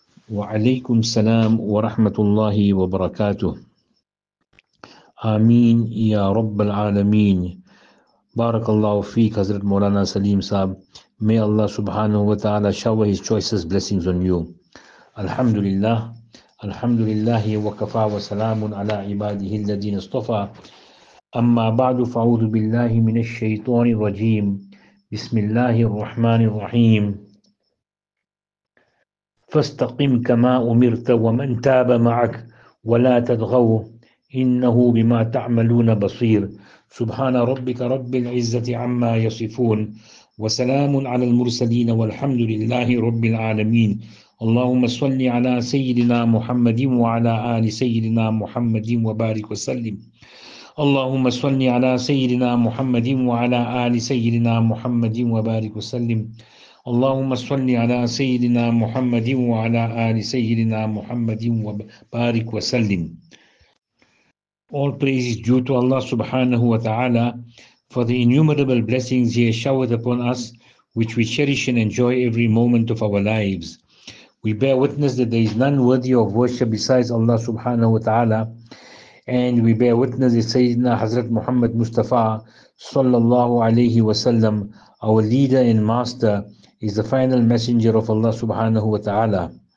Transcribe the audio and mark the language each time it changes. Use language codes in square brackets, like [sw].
[ar] وعليكم السلام ورحمة الله وبركاته. آمين يا رب العالمين. بارك الله فيك حضرت مولانا سليم صاحب. [en] May Allah subhanahu wa ta'ala shower his choicest blessings on you. [ar] Alhamdulillah. Alhamdulillah wa kafa wa salamun ala ibadihi alladhin istafa. Amma ba'du fa'udhu billahi min ash-shaytani rajim. Bismillahi ar-Rahman ar-Rahim. فاستقم كما أمرت ومن تاب معك ولا تطغوا إنه بما تعملون بصير. سبحان ربك رب العزة عما يصفون وسلام على المرسلين والحمد لله رب العالمين. اللهم صل على سيدنا محمد وعلى آل سيدنا محمد وبارك وسلم. اللهم صل على سيدنا محمد وعلى آل سيدنا محمد وبارك وسلم. اللهم صل على سيدنا محمد وعلى آل سيدنا محمد وبارك وسلم. [en] All praise is due to Allah subhanahu wa ta'ala for the innumerable blessings He has showered upon us, which we cherish and enjoy every moment of our lives. We bear witness that there is none worthy of worship besides Allah subhanahu wa ta'ala, and we bear witness that Sayyidina Hazrat Muhammad Mustafa sallallahu alayhi wa sallam, our leader and master, is the final messenger of Allah subhanahu wa ta'ala.